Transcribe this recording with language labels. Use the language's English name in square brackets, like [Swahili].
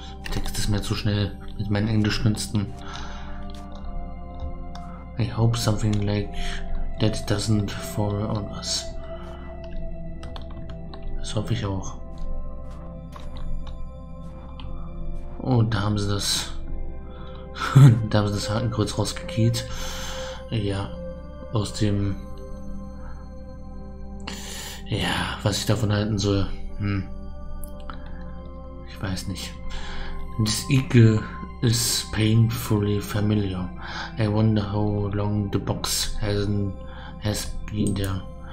[German] Text ist mir zu schnell mit meinen Englischkünsten. [English] I hope something like that doesn't fall on us. [German] Das hoffe ich auch. Oh, da haben sie das. Da haben sie das Hakenkreuz rausgekehrt. Ja, aus dem. Ja, was ich davon halten soll, ich weiß nicht. [English] This eagle is painfully familiar. I wonder how long the box has been there.